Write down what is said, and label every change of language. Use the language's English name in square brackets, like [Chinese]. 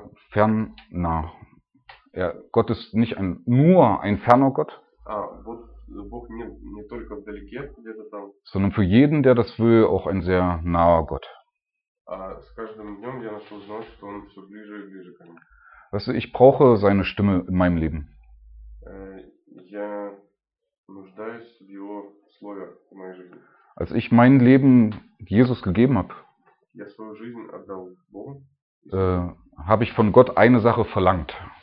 [German] Fernnah. Gott ist nicht nur ein ferner Gott. [Russian] Бог не только вдалеке, где-то там. [German] Sondern für jeden, der das will, auch ein sehr naher Gott. [Russian] С каждым днем я начал знать, что он все ближе и ближе ко мне. [German] Weißt du, ich brauche seine Stimme in meinem Leben. [Russian] Я нуждаюсь в его слове в моей жизни. [German] Als ich mein Leben Jesus gegeben habe, [Russian] я свою жизнь отдал Богу, [German] habe ich von Gott eine Sache verlangt.